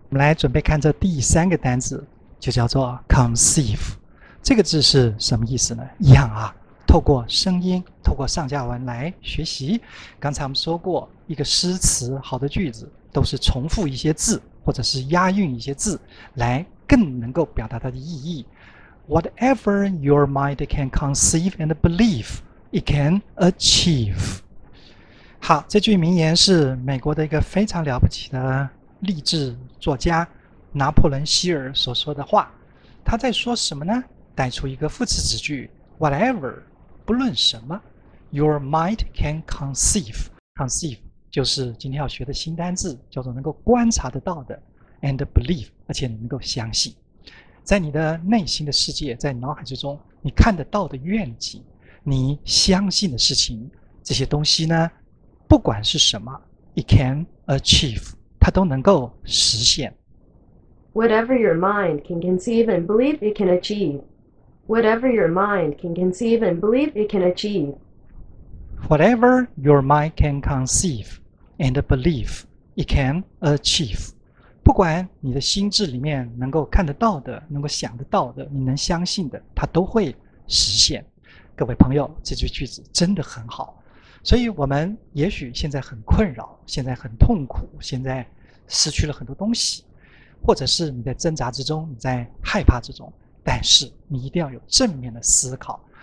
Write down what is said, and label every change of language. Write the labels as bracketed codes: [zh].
[zh] 我们来准备看这第三个单字，就叫做 conceive。这个字是什么意思呢？一样啊。透过声音，透过上下文来学习。刚才我们说过，一个诗词好的句子都是重复一些字或者是押韵一些字来更能够表达它的意义。 [en] Whatever your mind can conceive and believe it can achieve。 [zh] 好，这句名言是美国的一个非常了不起的励志作家拿破仑希尔所说的话。他在说什么呢？带出一个副词子句 whatever，不论什么 ， your mind can conceive。 conceive 就是今天要学的新单字，叫做能够观察得到的 ， and believe，而且你能够相信，在你的内心的世界，在脑海之中，你看得到的愿景，你相信的事情，这些东西呢，不管是什么 ， it can achieve，它都能够实现。 [en] Whatever your mind can conceive and believe, it can achieve. Whatever your mind can conceive and believe it can achieve. Whatever your mind can conceive and believe it can achieve. [zh] 不管你的心智里面能够看得到的，能够想得到的，你能相信的，它都会实现。各位朋友，这句句子真的很好。所以我们也许现在很困扰，现在很痛苦，现在失去了很多东西，或者是你在挣扎之中，你在害怕之中，但是你一定要有正面的思考。